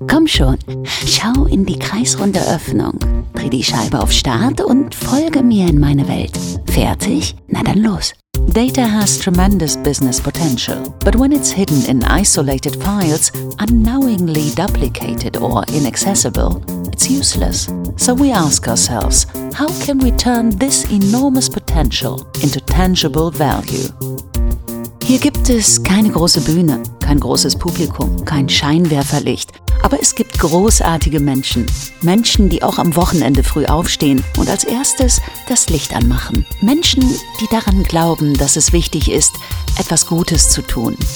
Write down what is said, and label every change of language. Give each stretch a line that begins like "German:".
German: Komm schon, schau in die kreisrunde Öffnung, dreh die Scheibe auf Start und folge mir in meine Welt. Fertig? Na dann los.
English: Data has tremendous business potential, but when it's hidden in isolated files, unknowingly duplicated or inaccessible, it's useless. So we ask ourselves, how can we turn this enormous potential into tangible value?
German: Hier gibt es keine große Bühne, kein großes Publikum, kein Scheinwerferlicht. Aber es gibt großartige Menschen. Menschen, die auch am Wochenende früh aufstehen und als erstes das Licht anmachen. Menschen, die daran glauben, dass es wichtig ist, etwas Gutes zu tun.